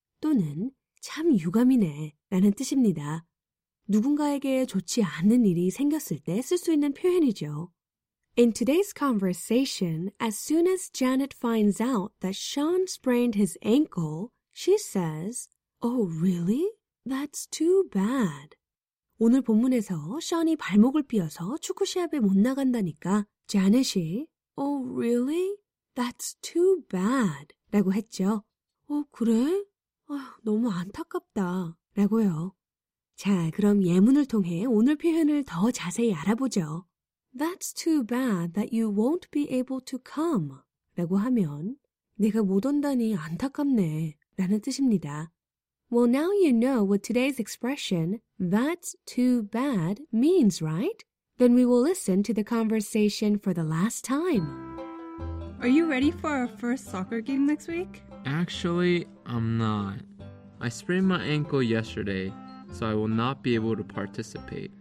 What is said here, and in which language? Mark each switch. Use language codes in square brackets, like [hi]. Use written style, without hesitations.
[ko] 또는 참 유감이네 라는 뜻입니다. 누군가에게 좋지 않은 일이 생겼을 때 쓸 수 있는 표현이죠. [en] In today's conversation, as soon as Janet finds out that Sean sprained his ankle, she says, Oh, really? That's too bad. [ko] 오늘 본문에서 Sean이 발목을 삐어서 축구 시합에 못 나간다니까 Janet이 [en] Oh, really? That's too bad. [ko] 라고 했죠. 어, 그래? 너무 안타깝다. 라고요. 자, 그럼 예문을 통해 오늘 표현을 더 자세히 알아보죠. [en] That's too bad that you won't be able to come. [ko] 라고 하면 내가 못 온다니 안타깝네. 라는 뜻입니다. [en] Well, now you know what today's expression That's too bad means, right? Then we will listen to the conversation for the last time. Are you ready for our first soccer game next week? Actually, I'm not. I sprained my ankle yesterday, so I will not be able to participate.